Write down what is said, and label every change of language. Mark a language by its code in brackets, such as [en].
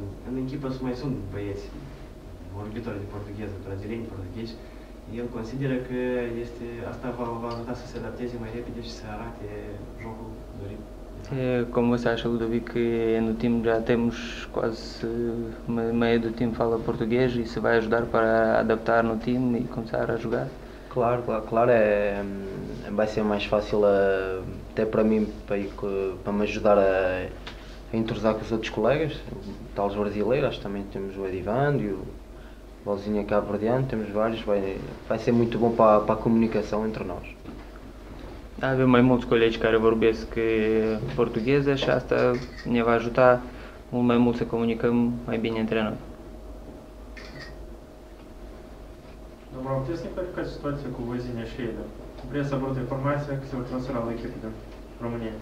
[ro] În echipă mai sunt băieți vorbitori de portugheză, brazilieni, portughezi. El consideră că asta va ajuta să se adapteze mai repede și să arate jocul dorit. [pt] Como você acha, Ludovic, que no time já temos quase meio do time fala português e se vai ajudar para adaptar no time e começar a jogar? Claro, claro, claro. Vai ser mais fácil até para mim, para me ajudar a entrosar com os outros colegas, tais brasileiros, também temos o Edivando e o Valzinho Cabo-Verdiano, temos vários, vai ser muito bom para a comunicação entre nós. [ro] Avem mai mulți colegi care vorbesc portugheză și asta ne va ajuta mult mai mult să comunicăm mai bine între noi. Dobro, am putea să ne pericați situația cu Vozinia și Eda? Vreau să aborde informația că se va transfera la echipă de România.